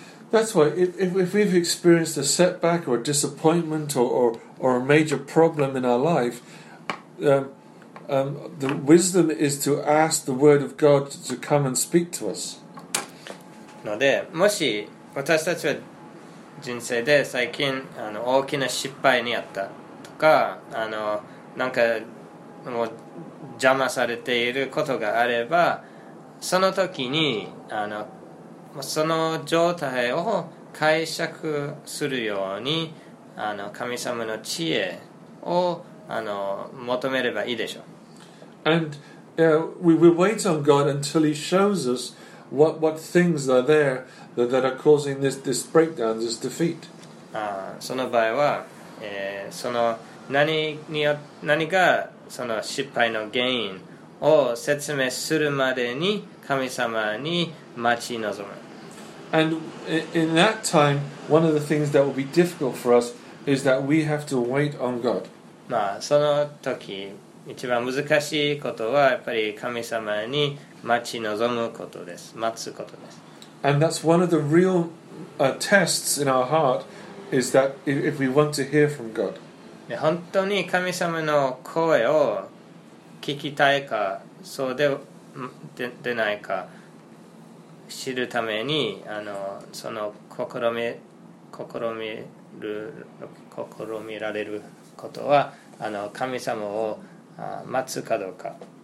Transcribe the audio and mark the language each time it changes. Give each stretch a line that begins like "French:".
English: That's why if we've experienced a setback or a disappointment or a major problem in our life, the wisdom is to ask the word of God to come and speak to us.
Japanese: のでもし私たちは人生で最近あの大きな失敗にあったとかあのなんかもう邪魔されていることがあればその時にあのその状態を解釈するようにあの神様の知恵をあの求めればいいでしょう。
English: And we will wait on God until He shows usWhat things are there that are causing this breakdown, this defeat?
Japanese: その場合は、その何によ、何がその失敗の原因を説明するまでに神様に待ち望む。
English: And in that time, one of the things that will be difficult for us is that we have to wait on God.
Japanese: まあ、その時、一番難しいことはやっぱり神様に待ち望むことです。待つことです。
English: And that's one of the real tests in our heart is that if we want to hear from God.
Japanese: 本当に神様の声を聞きたいかそうでないか知るためにあのその試みられることはあの神様を待つかどうか